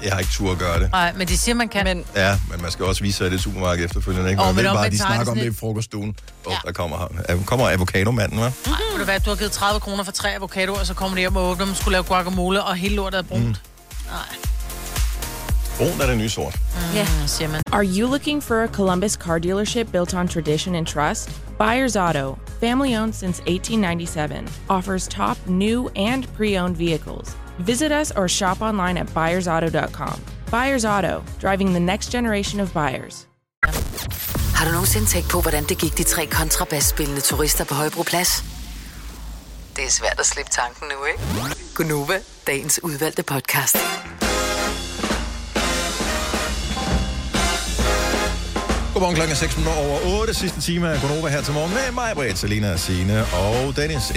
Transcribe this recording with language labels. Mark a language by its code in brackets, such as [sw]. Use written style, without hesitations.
[da] Jeg har ikke tur at gøre det. Nej, men de siger, man kan. Men... Ja, men man skal også vise sig i det supermarked efterfølgende. Ikke? Man ved bare, de snakker om det i frokoststuen. Åh, oh, ja. Der kommer avocadomanden, hva'? Nej, det være, du har givet 30 kroner for 3 avocadoer, og så kommer de op og åbner dem, skulle lave guacamole, og hele lortet er brunt. Brun er det nye sort. [en] Yeah. Are you looking for a Columbus car dealership built on tradition and trust? Byers Auto, family-owned since 1897, offers top new and pre-owned vehicles. Visit us or shop online at buyersauto.com. Byers Auto, driving the next generation of buyers. [da] Har du nogensinde tænkt på, hvordan det gik de 3 kontrabasspillende turister på Højbro Plads? Det er svært at slippe tanken nu, ikke? Gunova, dagens udvalgte podcast. Godmorgen, klokken er 6:08, sidste time af Gunova her til morgen med mig, Britt, Selina, Signe og Dennis.